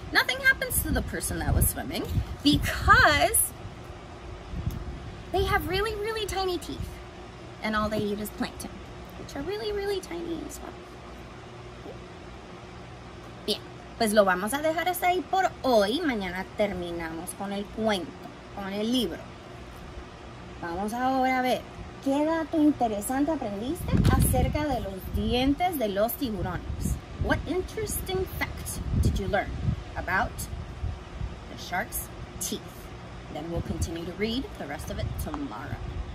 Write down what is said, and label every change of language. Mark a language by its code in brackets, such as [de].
[en] Nothing happens to the person that was swimming because they have really, really tiny teeth. And all they eat is plankton, which are really, really tiny as well. [es] Bien, pues lo vamos a dejar hasta ahí por hoy. Mañana terminamos con el cuento, con el libro. Vamos ahora a ver, ¿qué dato interesante aprendiste acerca de los dientes de los tiburones? [en] What interesting fact did you learn about the shark's teeth? Then we'll continue to read the rest of it tomorrow.